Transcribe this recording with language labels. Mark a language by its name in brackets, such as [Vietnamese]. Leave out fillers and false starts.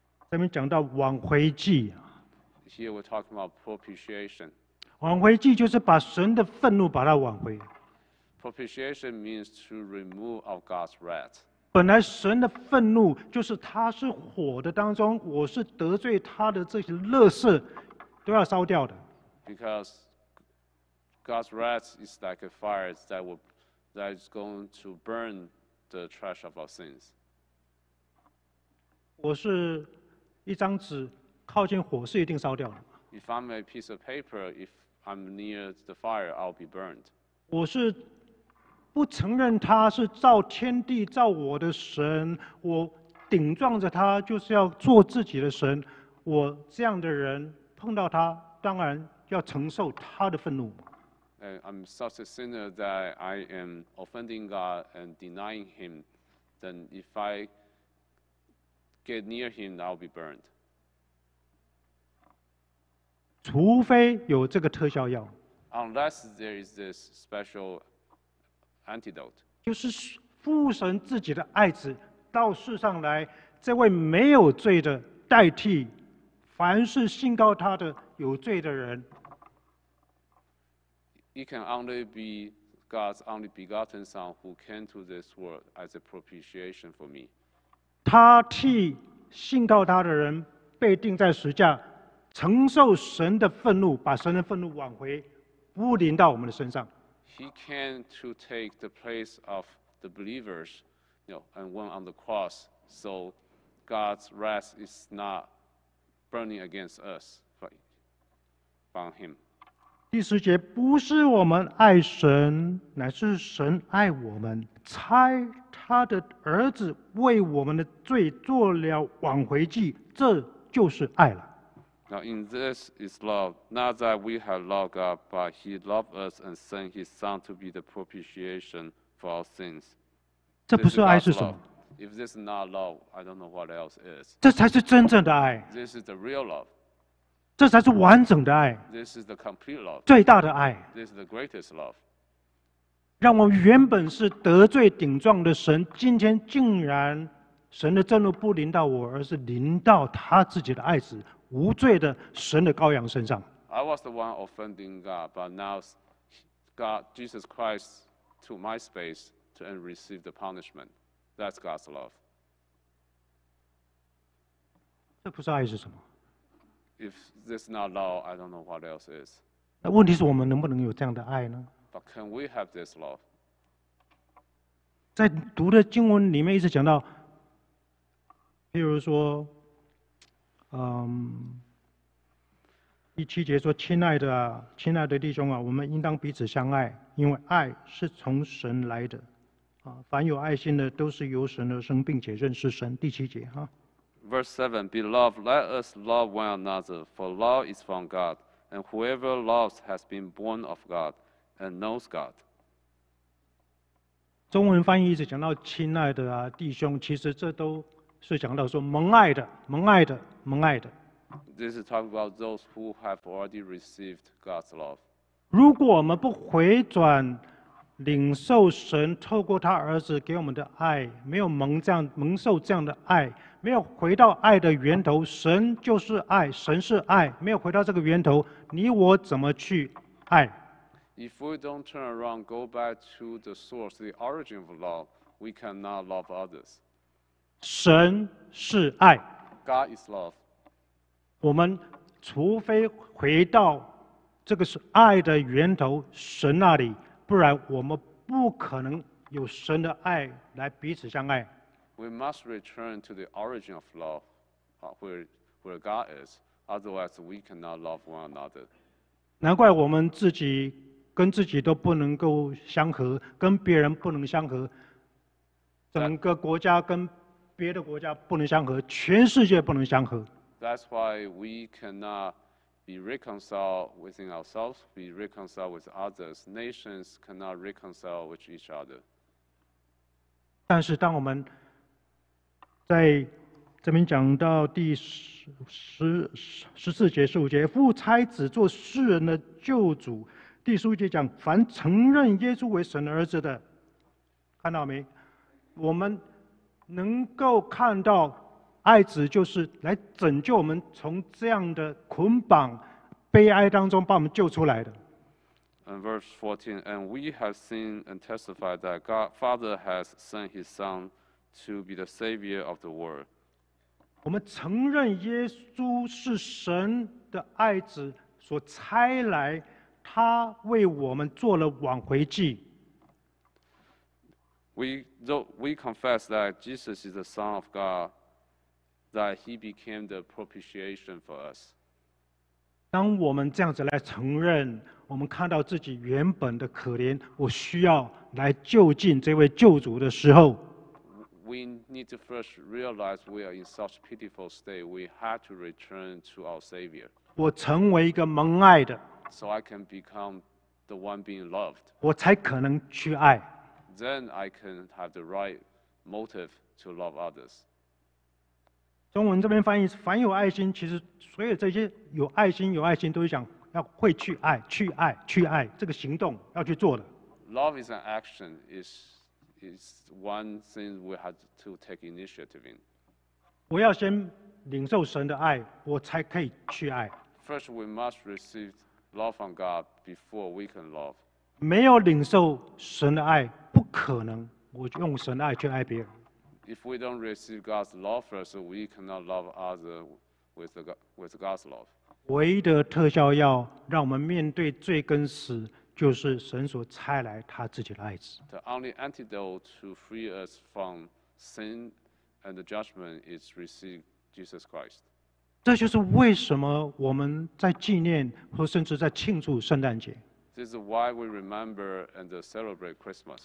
[Chinese] 这边讲到挽回祭。 [English] Here we're talking about propitiation. [Chinese] 挽回祭就是把神的愤怒把它挽回。 [English] Propitiation means to remove of God's wrath. [Chinese] 本来神的愤怒就是他是火的当中，我是得罪他的这些垃圾都要烧掉的。 [English] Because God's wrath is like a fire that is going to burn the trash of our sins. [Chinese] 我是一张纸，靠近火是一定烧掉的。 [English] If I'm a piece of paper, if I'm near the fire, I'll be burned. [Chinese] 我是不承认他是造天地造我的神，我顶撞着他就是要做自己的神，我这样的人碰到他当然要承受他的愤怒。 [English] I'm such a sinner that I am offending God and denying him. Then if I get near him, I'll be burned. [Chinese] 除非有这个特效药。 [English] Unless there is this special antidote. [Chinese] 就是父神自己的爱子到世上来，这位没有罪的代替，凡是信靠他的有罪的人。 [English] He can only be God's only begotten Son who came to this world as a propitiation for me. [Chinese] 他替信靠他的人被钉在十字架，承受神的愤怒，把神的愤怒挽回，不临到我们的身上。 [English] He came to take the place of the believers, you know, and went on the cross, so God's wrath is not burning against us, but on him. [Chinese] 第十节，不是我们爱神，乃是神爱我们，差他的儿子为我们的罪做了挽回祭，这就是爱了。 [English] Now in this is love, not that we have loved God, but he loved us and sent his son to be the propitiation for our sins. [Chinese] 这不是爱是什么？ [English] If this is not love, I don't know what else is. [Chinese] 这才是真正的爱。 [English] This is the real love. [Chinese] 这才是完整的爱。 [English] This is the complete love. [Chinese] 最大的爱。 [English] This is the greatest love. [Chinese] 让我原本是得罪顶撞的神，今天竟然神的震怒不临到我，而是临到他自己的爱子。无罪的神的羔羊身上。 [English] I was the one offending God, but now God, Jesus Christ, took my space to receive the punishment. That's God's love. [Chinese] 这不是爱是什么？ [English] If this is not love, I don't know what else is. [Chinese] 那问题是我们能不能有这样的爱呢？ [English] But can we have this love? [Chinese] 在读的经文里面一直讲到，譬如说。第七节说，亲爱的、啊、亲爱的弟兄啊，我们应当彼此相爱，因为爱是从神来的、啊、凡有爱心的都是由神而生，并且认识神。第七节、啊、 [English] Verse 7, Beloved, let us love one another, for love is from God, and whoever loves has been born of God and knows God. [Chinese] 中文翻译一直讲到亲爱的、啊、弟兄，其实这都是讲到说蒙爱的，蒙爱的，蒙爱的。 [English] This is talking about those who have already received God's love. [Chinese] 如果我们不回转，领受神透过他儿子给我们的爱，没有蒙这样蒙受这样的爱，没有回到爱的源头，神就是爱，神是爱，没有回到这个源头，你我怎么去爱 [English] ？If we don't turn around, go back to the source, the origin of love, we cannot love others. [Chinese] 神是爱。 [English] God is love. [Chinese] 我们除非回到这个是爱的源头神那里，不然我们不可能有神的爱来彼此相爱。 [English] We must return to the origin of love, where God is. Otherwise, we cannot love one another. [Chinese] 难怪我们自己跟自己都不能够相合，跟别人不能相合，整个国家跟别的国家不能相合，全世界不能相合。 [English] That's why we cannot be reconciled within ourselves, be reconciled with others. Nations cannot reconcile with each other. [Chinese] 但是当我们在这边讲到第 十四节、十五节，父差子做世人的救主。第十五节讲，凡承认耶稣为神的儿子的，看到没？我们能够看到爱子就是来拯救我们从这样的捆绑悲哀当中把我们救出来的。 [English] And verse 14, and we have seen and testified that God Father has sent his son to be the savior of the world. [Chinese] 我们承认耶稣是神的爱子所差来，他为我们做了挽回祭。 [English] We confess that Jesus is the Son of God, that He became the propitiation for us. [Chinese] 当我们这样子来承认，我们看到自己原本的可怜，我需要来就近这位救主的时候。 [English] We need to first realize we are in such a pitiful state. We have to return to our Savior. [Chinese] 我成为一个蒙爱的。 [English] So I can become the one being loved. [Chinese] 我才可能去爱。 [English] Then I can have the right motive to love others. [Chinese] 中文这边翻译是凡有爱心，其实所有这些有爱心都是讲要会去爱，去爱，去爱，这个行动要去做的。 [English] Love is an action. It's one thing we have to take initiative in. [Chinese] 我要先领受神的爱，我才可以去爱。 [English] First, we must receive love from God before we can love. [Chinese] 没有领受神的爱，不可能我用神的爱去爱别人。 [English] If we don't receive God's love first, we cannot love others with God's love. [Chinese] 唯一的特效药，让我们面对罪跟死。就是神所差来他自己的爱子。 [English] The only antidote to free us from sin and the judgment is receive Jesus Christ. [Chinese] 这就是为什么我们在纪念或甚至在庆祝圣诞节。 [English] This is why we remember and celebrate Christmas.